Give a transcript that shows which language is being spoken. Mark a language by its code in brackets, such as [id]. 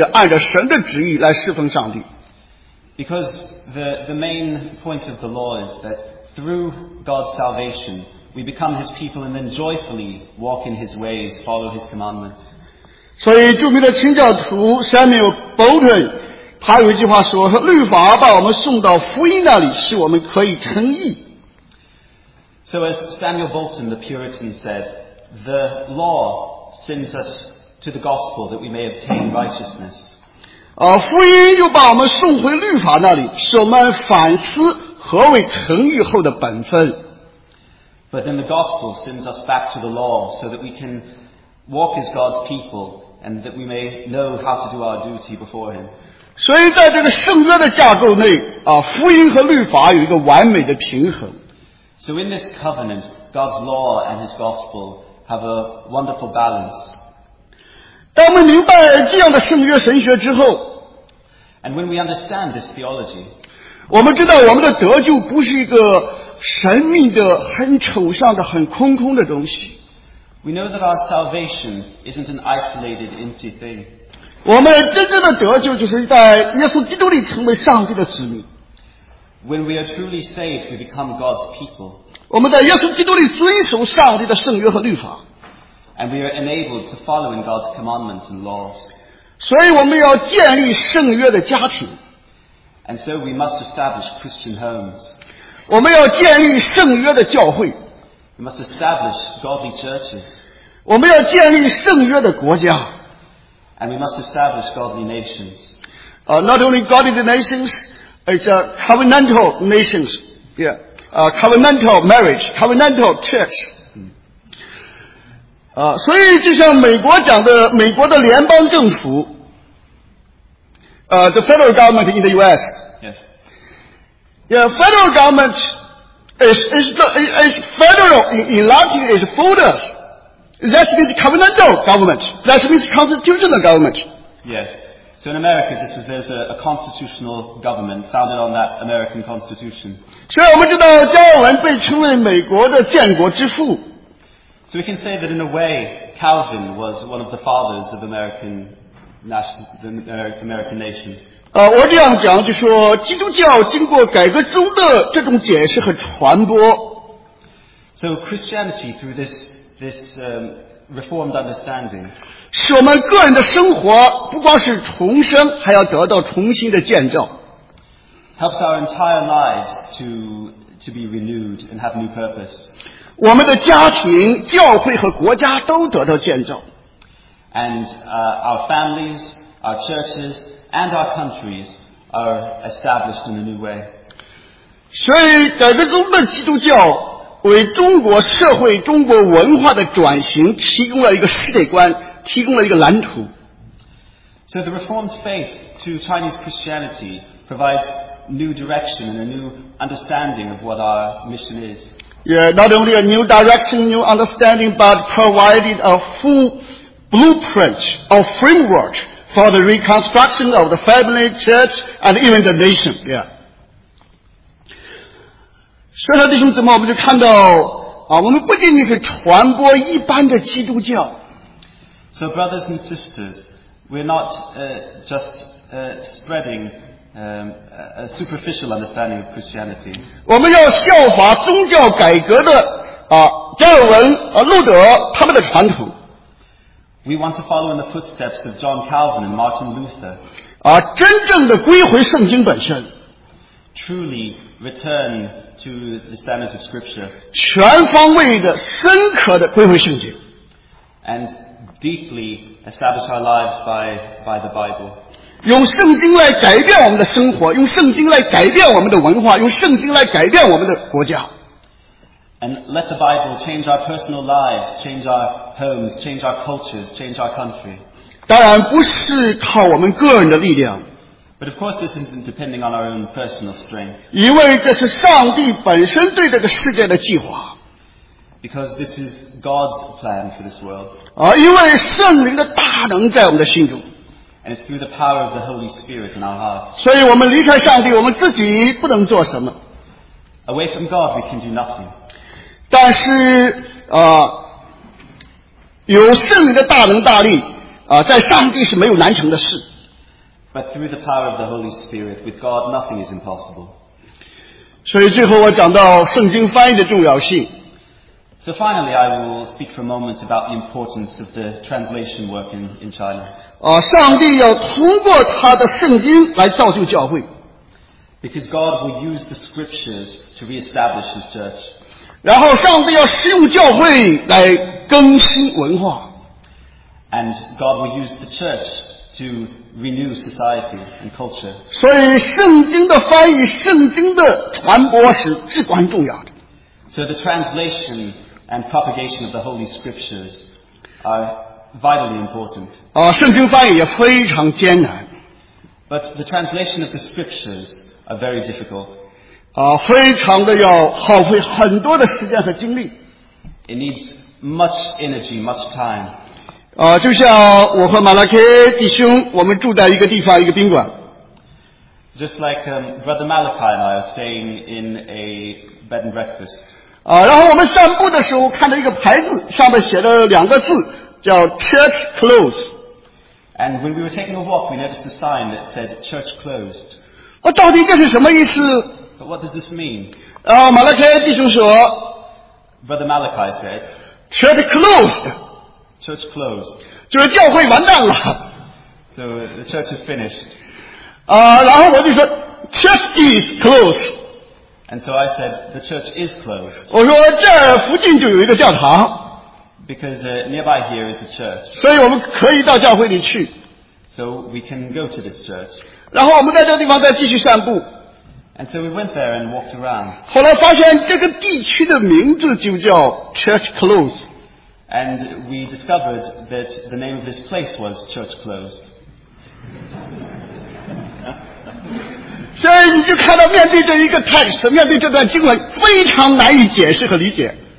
[zh] 就说律法的精义就说，我们一定信主的人，一定属于上帝的人，要甘心乐意的按照神的旨意来侍奉上帝。 [en] Because the main point of the law is that through God's salvation, we become his people and then joyfully walk in his ways, follow his commandments. [zh] 所以著名的清教徒 Samuel Bolton 他有一句话说，律法把我们送到福音那里，使我们可以称义。 [en] So as Samuel Bolton, the Puritan, said, the law sends us to the gospel that we may obtain righteousness. [zh] 福音又把我们送回律法那里，使我们反思何为诚意后的本分。But [en] then the gospel sends us back to the law so that we can walk as God's people and that we may know how to do our duty before him. [zh] 所以在这个圣约的架构内啊，福音和律法有一个完美的平衡。 [en] So in this covenant, God's law and His gospel have a wonderful balance. [zh] 当我们明白这样的圣约神学之后 [en] ，And when we understand this theology, [zh] 我们知道我们的得救不是一个神秘的、很抽象的、很空空的东西。 [en] We know that our salvation isn't an isolated, empty thing. [zh] 我们真正的得救就是在耶稣基督里成为上帝的子民。 [en] When we are truly saved, we become God's people. [zh] 我们在耶稣基督里遵守上帝的圣约和律法。 [en] And we are enabled to follow in God's commandments and laws. [zh] 所以我们要建立圣约的家庭。 [en] And so we must establish Christian homes. [zh] 我们要建立圣约的教会。 [en] We must establish godly churches. [zh] 我们要建立圣约的国家。 [en] And we must establish godly nations. Not only godly nations, it's a covenantal nations. Yeah. Covenantal marriage, covenantal church. [zh] 所以就像美国讲的，美国的联邦政府 [en] the federal government in the U.S. Yes. Yeah, federal government is federal in Latin is fodus. That means covenantal government. That means constitutional government. Yes. So in America, this is, there's a constitutional government founded on that American constitution. [zh] 所以我们知道加尔文被称为美国的建国之父。 [en] So we can say that in a way, Calvin was one of the fathers of American nation. [zh] 我这样讲就说基督教经过改革中的这种解释和传播。 [en] So Christianity through this reformed understanding, [zh] 使我们个人的生活不光是重生，还要得到重新的建造。 [en] Helps our entire lives to be renewed and have new purpose. [zh] 我们的家庭、教会和国家都得到建造。 [en] And our families, our churches, and our countries are established in a new way. [zh] 所以改革中的基督教为中国社会、中国文化的转型提供了一个世界观，提供了一个蓝图。 [en] So the Reformed faith to Chinese Christianity provides new direction and a new understanding of what our mission is. Yeah, not only a new direction, new understanding, but provided a full blueprint or framework for the reconstruction of the family, church, and even the nation. Yeah. [zh] 所以弟兄姊妹，我们就看到啊，我们不仅仅是传播一般的基督教。 [en] So brothers and sisters, we're not spreading a superficial understanding of Christianity. [zh] 我们要效法宗教改革的啊，加尔文、路德他们的传统。 [en] We want to follow in the footsteps of John Calvin and Martin Luther. [zh] 啊，真正的归回圣经本身。 [en] Truly. Return to the standards of Scripture. [zh] 全方位的、深刻的归回圣经。 [en] And deeply establish our lives by the Bible. [zh] 用圣经来改变我们的生活，用圣经来改变我们的文化，用圣经来改变我们的国家。 [en] And let the Bible change our personal lives, change our homes, change our cultures, change our country. [zh] 当然不是靠我们个人的力量。 [en] But of course, this isn't depending on our own personal strength. [zh] 因为这是上帝本身对这个世界的计划。 [en] Because this is God's plan for this world. [zh] 因为圣灵的大能在我们的心中。 [en] And it's through the power of the Holy Spirit in our hearts. [zh] 所以我们离开上帝，我们自己不能做什么。 [en] Away from God, we can do nothing. [zh] 但是有圣灵的大能大力在上帝是没有难成的事。 [en] But through the power of the Holy Spirit, with God, nothing is impossible. [zh] 所以最后我讲到圣经翻译的重要性。 [en] So finally, I will speak for a moment about the importance of the translation work in China. [zh] 上帝要通过他的圣经来造就教会。 [en] Because God will use the scriptures to reestablish His church. [zh] 然后上帝要使用教会来更新文化。 [en] And God will use the church to renew society and culture. [zh] 所以圣经的翻译，圣经的传播是至关重要的。 [en] So the translation and propagation of the Holy Scriptures are vitally important. [zh] 圣经翻译也非常艰难。 [en] But the translation of the scriptures are very difficult. [zh] 非常的要耗费很多的时间和精力。 [en] It needs much energy, much time. [zh] 就像我和马拉克弟兄，我们住在一个地方，一个宾馆。 [en] Just like Brother Malachi and I are staying in a bed and breakfast. [zh] 然后我们散步的时候看到一个牌子，上面写了两个字，叫 [en] Church Closed. And when we were taking a walk, we noticed a sign that said Church Closed. [zh] 到底这是什么意思？ [en] But what does this mean? [zh] 马拉克弟兄说 [en] ，Brother Malachi said, "Church closed." Church closed. [zh] 就是教会完蛋了。 [en] So the church is finished. [zh] 然后我就说 ， [en] Church is closed. And so I said, "The church is closed." [zh] 我说这附近就有一个教堂。 [en] Because nearby here is a church. [zh] 所以我们可以到教会里去。 [en] So we can go to this church. [zh] 然后我们在这个地方再继续散步。 [en] And so we went there and walked around. [zh] 后来发现这个地区的名字就叫 Church Close. [en] And we discovered that the name of this place was Church Closed. [zh] 所以你就看到面对这一个 text, 面对这段经文非常难以解释和理解。